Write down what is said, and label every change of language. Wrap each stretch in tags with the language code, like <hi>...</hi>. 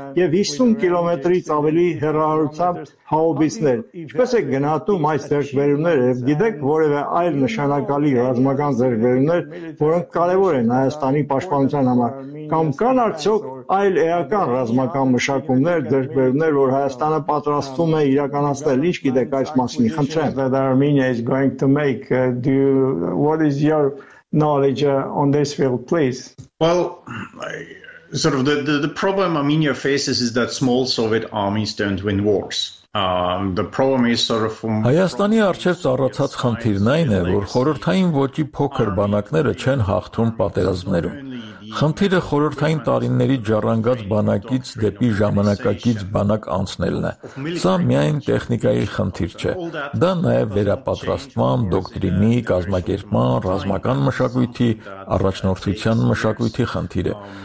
<hy>եւ 50 կիլոմետրից ավելի հեռարարությամբ հաուբիցներ։ Ինչպես է գնահատում այս ձեռքբերումները եւ գիտեք որևէ այլ նշանակալի ռազմական ձեռքբերումներ, որոնք կարեւոր են Հայաստանի պաշտպանության համար, կամ կան արդյոք այլ էական ռազմական մշակումներ ձեր որ Հայաստանը պատրաստվում է իրականացնել, ինչ գիտեք այս մասին, խնդրեմ։</hy> <en>That Armenia is going to make, what is your knowledge on this field, please? Well, sort of the problem Armenia faces is that small Soviet armies don't win wars. The problem is sort of from</en> <hy>Հայաստանի արչեր ծառացած խնդիրն այն է, որ խորհրդային ոճի փոքր բանակները չեն հաղթում պատերազմներում։ Խնդիրը խորհրդային տարիների ժառանգած բանակից դեպի ժամանակակից բանակ անցնելն է։ Սա միայն տեխնիկայի խնդիր չէ, դա նաև վերապատրաստման, դոկտրինի, կազմակերպման, ռազմական մշակույթի, առաջնորդության մշակույթի խնդիր է։</hy>